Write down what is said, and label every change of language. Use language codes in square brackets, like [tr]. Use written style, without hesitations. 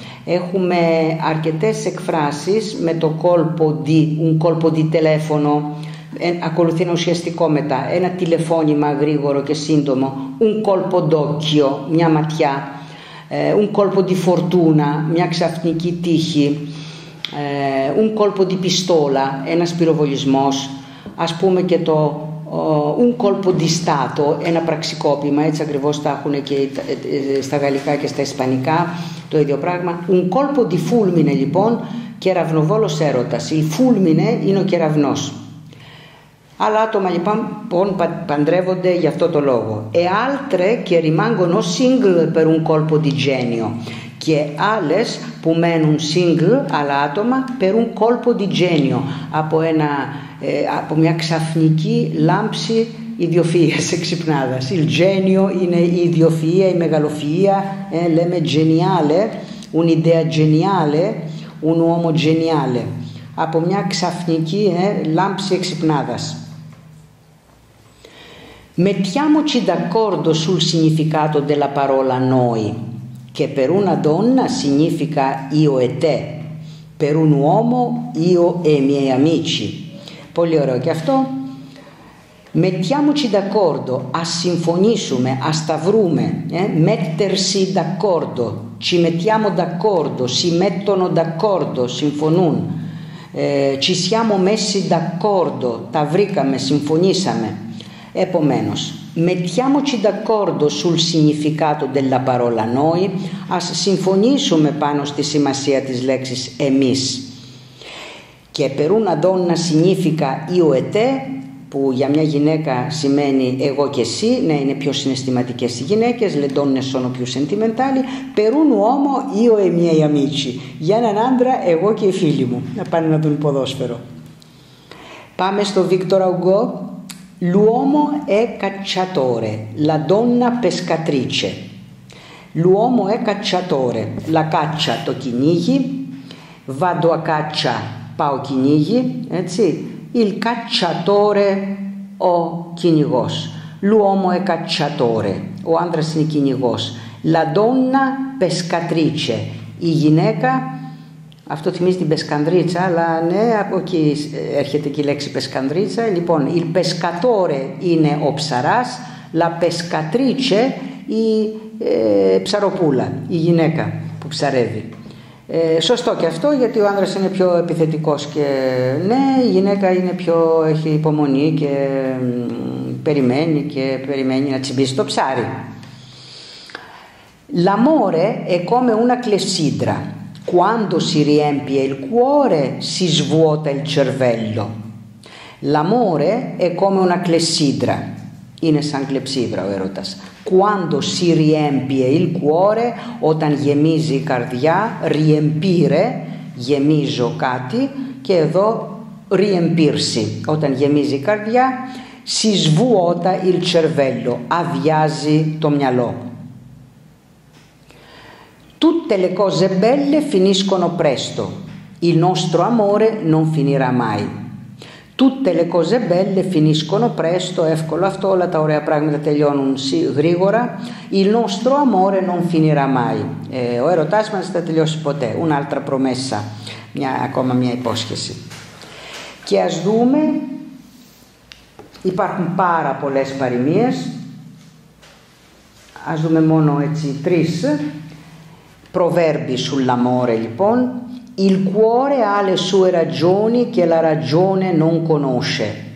[el] Έχουμε αρκετές εκφράσεις με το κόλπο di, [it] un colpo di telefono, [el] ακολουθεί ένα ουσιαστικό μετά, ένα τηλεφώνημα γρήγορο και σύντομο, [it] un colpo d'occhio, [el] μια ματιά, [it] un colpo di fortuna, [el] μια ξαφνική τύχη, [it] un colpo di pistola, [el] ένας πυροβολισμός, ας πούμε και το [it] un colpo di stato, [el] ένα πραξικόπημα, έτσι ακριβώς τα έχουν και στα γαλλικά και στα ισπανικά, το ίδιο πράγμα. [it] Un colpo di fulmine, λοιπόν, [el] κεραυνοβόλος έρωτας. Il fulmine είναι ο κεραυνός. Άλλα άτομα, λοιπόν, παντρεύονται για αυτό το λόγο. [it] E altre che rimangono single per un colpo di genio. [el] Και άλλες που μένουν single, άλλα άτομα, [it] per un colpo di genio. [el] Από ένα... από μια ξαφνική λάμψη ιδιοφυΐας, εξυπνάδας. Il genio είναι η ιδιοφυΐα, η μεγαλοφυΐα, λέμε geniale, [it] un'idea geniale, un uomo geniale. [el] Από μια ξαφνική λάμψη εξυπνάδας. [it] Mettiamoci d'accordo sul significato della parola noi, che per una donna significa io e te, per un uomo io e i miei amici. [el] Πολύ ωραίο και αυτό. [it] Mettiamoci d'accordo, [el] ας συμφωνήσουμε, ας τα βρούμε. [it] Mettersi d'accordo, ci mettiamo d'accordo, si mettono d'accordo, [el] συμφωνούν. [it] Ci siamo messi d'accordo, [el] τα βρήκαμε, συμφωνήσαμε. Επομένως, [it] mettiamoci d'accordo sul significato della parola noi, [el] ας συμφωνήσουμε πάνω στη σημασία της λέξης εμείς. Και [it] per una donna significa io e te, [el] που για μια γυναίκα σημαίνει εγώ και εσύ, ναι, είναι πιο συναισθηματικές οι γυναίκες, [it] le donne sono più sentimentali, per un uomo io e miei amici, [el] για έναν άντρα εγώ και οι φίλοι μου, να πάνε να δουν ποδόσφαιρο. Πάμε στο [it] Victor Hugo, l'uomo è cacciatore, la donna pescatrice. L'uomo è cacciatore, la caccia [el] το κυνήγι, [it] vado a caccia, [el] πάω κυνήγι, έτσι. [it] Il cacciatore, [el] ο κυνηγός. [it] L'uomo è cacciatore, [el] ο άντρας είναι κυνηγός. [it] La donna pescatrice, [el] η γυναίκα, αυτό θυμίζει την πεσκανδρίτσα, αλλά ναι, από εκεί έρχεται και η λέξη πεσκανδρίτσα. Λοιπόν, [it] il pescatore [el] είναι ο ψαράς, [it] la pescatrice, [el] η ψαροπούλα, η γυναίκα που ψαρεύει. Σωστό και αυτό, γιατί ο άνδρας είναι πιο επιθετικός και ναι, η γυναίκα είναι πιο, έχει υπομονή και περιμένει και περιμένει να τσιμπήσει το ψάρι. [it] L'amore è come una clessidra. Quando si riempie il cuore, si svuota il cervello. L'amore è come una clessidra. [el] Είναι σαν κλεψίδρα ο έρωτας. [it] Quando si riempie il cuore, [el] όταν γεμίζει η καρδιά, [it] riempire, [el] γεμίζω κάτι, και εδώ [it] riempirsi, [el] όταν γεμίζει η καρδιά, [it] si svuota il cervello, [el] αδειάζει το μυαλό. [it] Tutte le cose belle finiscono presto, il nostro amore non finirà mai. Tutte le cose belle finiscono presto, [el] εύκολο αυτό, όλα τα ωραία πράγματα τελειώνουν γρήγορα. [it] Il nostro amore non finirà mai. [el] Ο ερωτάς μας θα τελειώσει ποτέ. [it] Un'altra promessa, [el] μια, ακόμα μια υπόσχεση. Και ας δούμε, υπάρχουν πάρα πολλές παροιμίες. Ας δούμε μόνο έτσι τρεις. Προβέρμπι sull'amore, λοιπόν. [it] Il cuore ha le sue ragioni che la ragione non conosce.